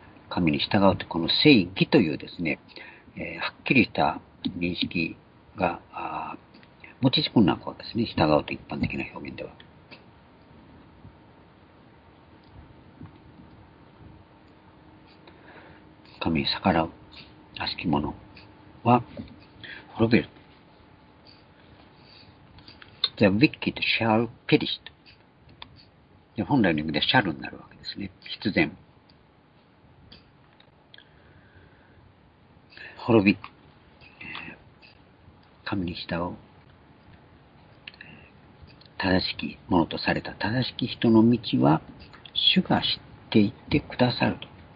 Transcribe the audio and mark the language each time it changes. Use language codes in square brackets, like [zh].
[ja] 神に従うと、この正義というですね、はっきりした認識が持ち込んだわけですね、従うと一般的な表現では。神に逆らう、悪しき者は、滅びる。 [en] The wicked shall perish. [ja] 本来の意味で shall になるわけですね。必然。滅び、神に従う、正しきものとされた正しき人の道は、主が知っていてくださると。